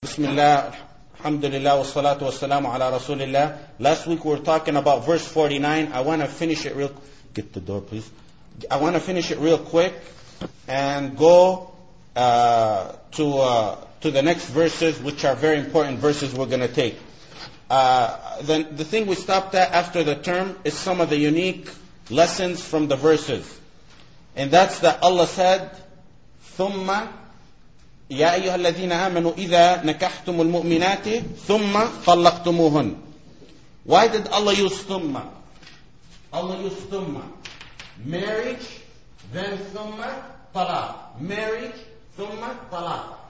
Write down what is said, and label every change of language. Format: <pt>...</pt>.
<ar>بسم الله الحمد لله والصلاة والسلام على رسول الله.</ar> <en>Last week we were talking about verse 49. I want to finish it real get the door please. I want to finish it real quick and go to the next verses, which are very important verses we're going to take. The thing we stopped at after the term is some of the unique lessons from the verses. And that's that Allah said,</en> <ar>ثُمَّ يا أيها الذين آمنوا إذا نكحتم المؤمنات ثم طلقتموهن.</ar> <en>Why did Allah use ثم؟ Allah used ثم. Marriage, then</en> <ar>ثم طلاق. Marriage, ثم طلاق.</ar>